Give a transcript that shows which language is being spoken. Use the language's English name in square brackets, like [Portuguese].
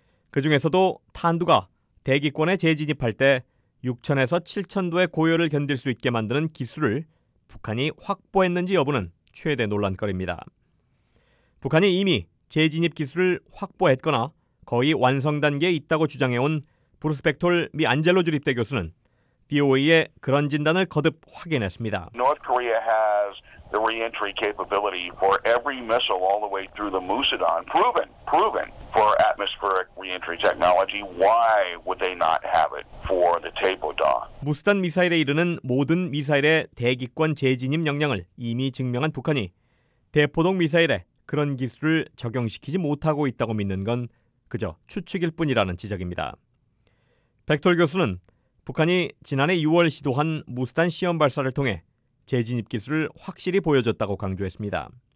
[Korean] 그 중에서도 탄두가 대기권에 재진입할 때 6천에서 7천도의 고열을 견딜 수 있게 만드는 기술을 북한이 확보했는지 여부는 최대 논란거리입니다. 북한이 이미 재진입 기술을 확보했거나 거의 완성 단계에 있다고 주장해온 브루스 벡톨 미 안젤로 주립대 교수는 BOA의 그런 진단을 거듭 확인했습니다. [English] North Korea has the re-entry capability for every missile all the way through the Musudan, proven for atmospheric re-entry technology. Why would they not have it for the Taepodong? [Korean] 무수단 미사일에 이르는 모든 미사일의 대기권 재진입 역량을 이미 증명한 북한이 대포동 미사일에 그런 기술을 적용시키지 못하고 있다고 믿는 건 그저 추측일 뿐이라는 지적입니다. 백톨 교수는 북한이 지난해 6월 시도한 무수단 시험 발사를 통해 재진입 기술을 확실히 보여줬다고 강조했습니다.